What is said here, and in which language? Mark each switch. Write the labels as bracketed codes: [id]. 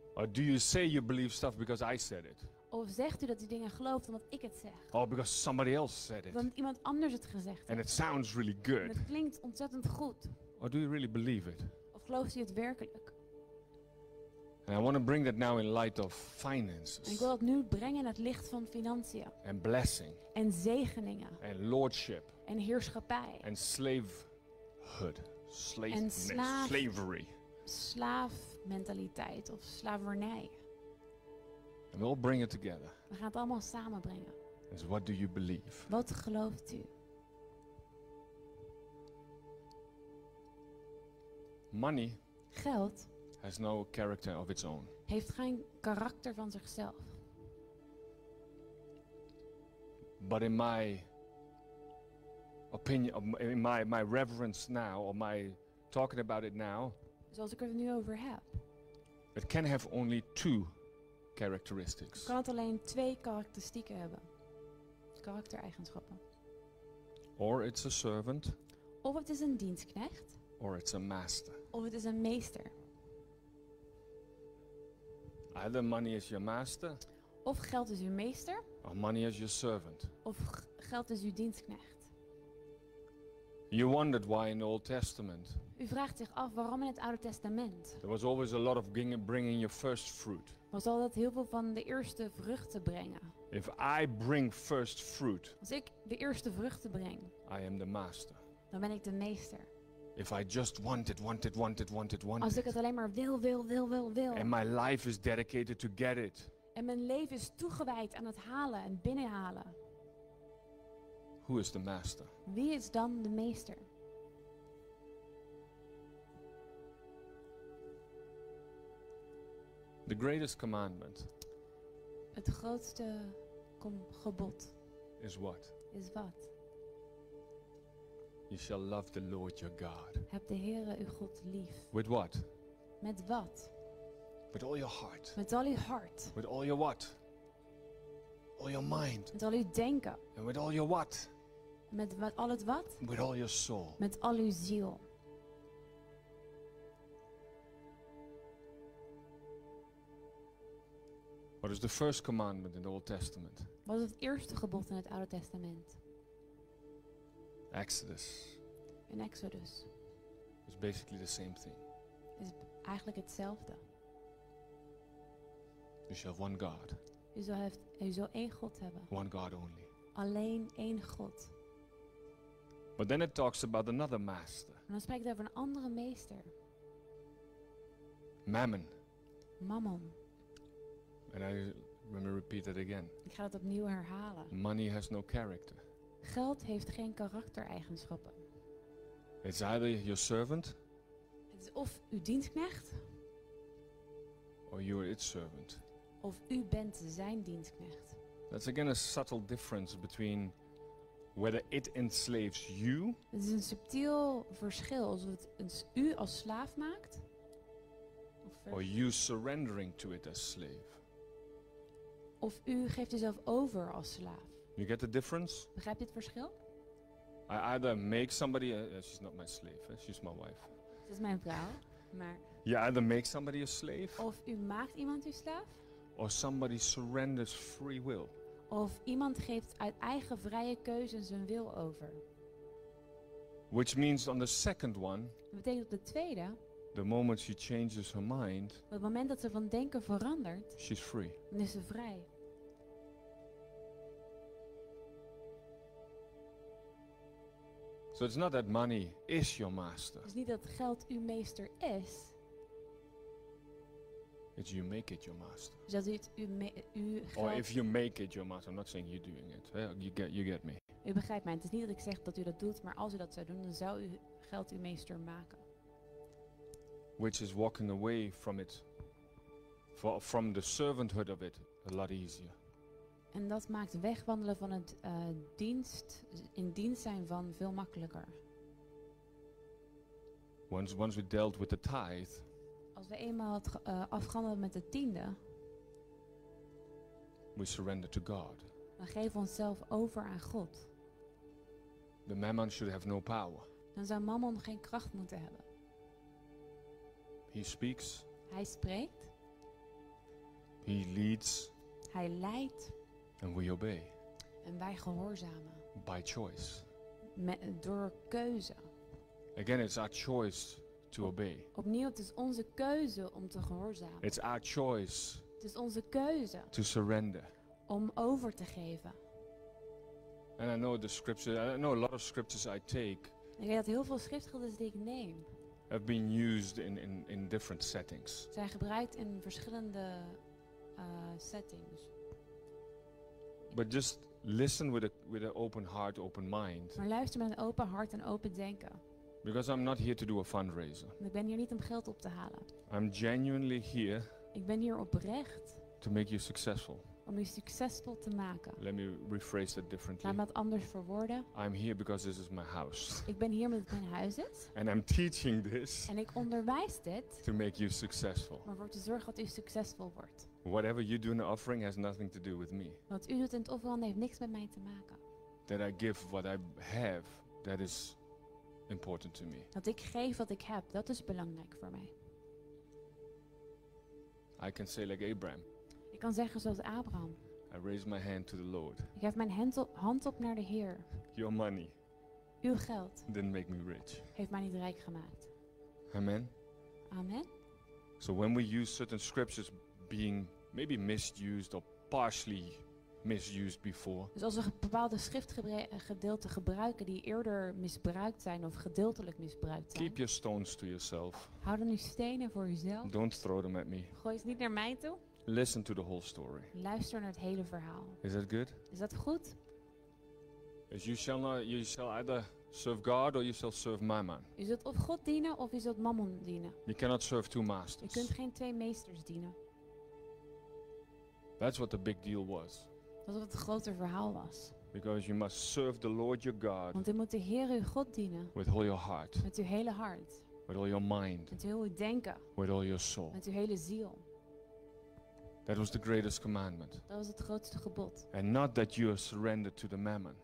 [en] Or do you say you believe stuff because I said it? [nl] Of zegt u dat u dingen gelooft omdat ik het zeg? [en] Oh, because somebody else said it. [nl] Omdat iemand anders het gezegd [en] And [nl] heeft. [en] It sounds really good. [nl] En het klinkt ontzettend goed. [en] Or do you really believe it? [nl] Of gelooft u het werkelijk? [en] And I want to bring that now in light of finances. [nl] En ik wil dat nu brengen in het licht van financiën. [en] And blessing. [nl] En zegeningen. [en] And lordship. [nl] En heerschappij. [en] And slavehood. Slavery. [nl] Slaafmentaliteit of slavernij. [en] And we'll bring it together. [nl] We gaan het allemaal samenbrengen. [en] And so what do you believe? [nl] Wat gelooft u? [en] Money [nl] geld [en] has no character of its own. [nl] Heeft geen karakter van zichzelf. [en] But in my opinion, in my reverence now, or my talking about it now, [nl] zoals ik er nu over heb, [en] it can have only two characteristics. [nl] Kan het alleen twee karakteristieken hebben, karaktereigenschappen. [en] Or it's a servant. [nl] Of het is een dienstknecht. [en] Or it's a master. [nl] Of het is een meester. [en] Either money is your master. [nl] Of geld is uw meester. [en] Or money is your servant. [nl] Of geld is uw dienstknecht. [en] You wondered why in the Old Testament. [nl] U vraagt zich af waarom in het Oude Testament. [en] There was always a lot of bringing your first fruit. [nl] Was altijd heel veel van de eerste vruchten brengen. [en] If I bring first fruit. [nl] Als ik de eerste vruchten breng. [en] I am the master. [nl] Dan ben ik de meester. [en] If I just want it. [nl] Als ik het alleen maar wil. [en] And my life is dedicated to get it. [nl] En mijn leven is toegewijd aan het halen en binnenhalen. [en] Who is the master? [nl] Wie is dan de meester? [en] The greatest commandment. [nl] Het grootste gebod. [en] Is what? [nl] Is wat? [en] You shall love the Lord your God. [nl] Heb de Heere uw God lief. [en] With what? [nl] Met wat? [en] With all your heart. [nl] Met al uw hart. [en] With all your what? All your mind. [nl] Met al uw denken. [en] And with all your what? [nl] Met wat, al het wat? [en] With all your soul. [nl] Met al uw ziel. [en] What is the first commandment in the Old Testament? [nl] Wat is het eerste gebod in het Oude Testament? [en] Exodus. [nl] In Exodus. [en] It's basically the same thing. [nl] Is eigenlijk hetzelfde. [en] You shall have one God. [nl] U zal één God hebben. [en] One God only. [nl] Alleen één God. [en] But then it talks about another master. [nl] En dan spreekt het over een andere meester. [en] Mammon. And I let me repeat that again. [nl] Ik ga het opnieuw herhalen. [en] Money has no character. [nl] Geld heeft geen karaktereigenschappen. [en] It's either your servant. [nl] Het is of uw dienstknecht. [en] Or you're its servant. [nl] Of u bent zijn dienstknecht. [en] That's again a subtle difference between whether it enslaves you. [nl] Het is een subtiel verschil of het u als slaaf maakt. [en] Or you surrendering to it as slave. [nl] Of u geeft jezelf over als slaaf. [en] You get the difference? [nl] Begrijp je het verschil? [en] I either make somebody she's not my slave, she's my wife. [nl] Ze is mijn vrouw, maar. [en] You either make somebody a slave. [nl] Of u maakt iemand uw slaaf. [en] Or somebody surrenders free will. [nl] Of iemand geeft uit eigen vrije keuze zijn wil over. [en] Which means on the second one. [nl] Dat betekent op de tweede. [en] The moment she changes her mind. [nl] Het moment dat ze van denken verandert. [en] She's free. [nl] Dan is ze vrij. [en] So it's not that money is your master. [nl] Het is niet dat geld uw meester is. [en] It's you make it your master. [nl] Dus dat u geld. [en] Or if you make it your master, I'm not saying you're doing it. You get me. [nl] U begrijpt mij. Het is niet dat ik zeg dat u dat doet, maar als u dat zou doen, dan zou u geld uw meester maken. [en] Which is walking away from it, from the servanthood of it, a lot easier. [nl] En dat maakt wegwandelen van het dienst, in dienst zijn van, veel makkelijker. [en] Once we dealt with the tithe. [nl] Als we eenmaal het afgehandeld met de tiende. [en] We surrender to God. [nl] We geven onszelf over aan God. [en] The mammon should have no power. [nl] Dan zou mammon geen kracht moeten hebben. [en] He speaks. [nl] Hij spreekt. [en] He leads. [nl] Hij leidt. [en] And we obey. [nl] En wij gehoorzamen. [en] By choice. [nl] Door keuze. [en] Again, it's our choice to obey. [nl] Opnieuw, het is onze keuze om te gehoorzamen. [en] It's our choice. [nl] Het is onze keuze. [en] To surrender. [nl] Om over te geven. [en] And I know the scriptures. I know a lot of scriptures I take. [nl] Ik weet dat heel veel schriftgedeeltes die ik neem. [en] Have been used in different settings. [nl] Zijn gebruikt in verschillende settings. [en] But just listen with an open heart, open mind. [nl] Maar luister met een open hart en open denken. [en] Because I'm not here to do a fundraiser. [nl] Ik ben hier niet om geld op te halen. [en] I'm genuinely here. [nl] Ik ben hier oprecht. [en] To make you successful. [nl] Om u succesvol te maken. [en] Let me rephrase that differently. [nl] Laat me het anders verwoorden. [en] I'm here because this is my house. [nl] Ik ben hier omdat het mijn huis is. [en] And I'm teaching this. [nl] En ik onderwijs dit. [en] To make you successful. [nl] Om ervoor te zorgen dat u succesvol wordt. [en] Whatever you do in the offering has nothing to do with me. [nl] Wat u doet in het offeren heeft niks met mij te maken. [en] That I give what I have, that is important to me. [nl] Dat ik geef wat ik heb, dat is belangrijk voor mij. [en] I can say like Abraham. [nl] Ik kan zeggen zoals Abraham. [en] I raise my hand to the Lord. [nl] Ik geef mijn hand op naar de Heer. [en] Your money. [nl] Uw geld. [en] Didn't make me rich. [nl] Heeft mij niet rijk gemaakt. [en] Amen. [nl] Amen. [en] So when we use certain scriptures being maybe misused or partially misused before. [nl] Dus als we bepaalde schriftgedeelten gebruiken die eerder misbruikt zijn of gedeeltelijk misbruikt zijn. [en] Keep your stones to yourself. [nl] Hou dan uw stenen voor uzelf. [en] Don't throw them at me. [nl] Gooi ze niet naar mij toe. [en] Listen to the whole story. [nl] Luister naar het hele verhaal. [en] Is that good? [nl] Is dat goed? [en] As you shall not, you shall either serve God or you shall serve Mammon. [nl] Je zult of God dienen of je zult Mammon dienen. [en] You cannot serve two masters. [nl] Je kunt geen twee meesters dienen. [en] That's what the big deal was. [nl] Dat was het grote verhaal was. [en] Because you must serve the Lord your God. [nl] Want je moet de Heer uw God dienen. [en] With all your heart. [nl] Met uw hele hart. [en] With all your mind. [nl] Met heel uw denken. [en] With all your soul. [nl] Met uw hele ziel. [en] That was the greatest commandment. [nl] Dat was het grootste gebod. [en] And not that you are surrendered to the mammon.